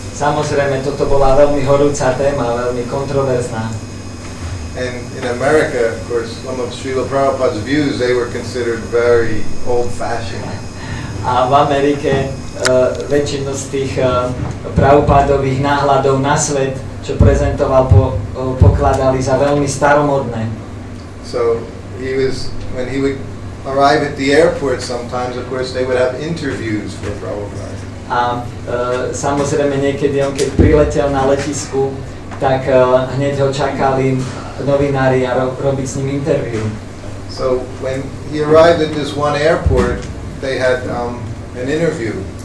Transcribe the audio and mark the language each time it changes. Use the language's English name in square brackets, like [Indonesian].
[Slovak] Samozrejme, toto bola veľmi horúca téma, veľmi kontroverzná. [English] And in America, of course, some of Srila Prabhupada's views, they were considered very old-fashioned. [Slovak] A v Amerike väčšinu z tých Prabhupádových náhľadov na svet, čo prezentoval, pokladali za veľmi staromodné. [English] So he was, when he would arrive at the airport sometimes, of course, they would have interviews for Prabhupada. [Slovak] A samozrejme niekedy on keď priletel na letisku, tak hneď ho čakali novinári a robiť s ním interview. [English] So when he arrived at this one airport, they had an interview.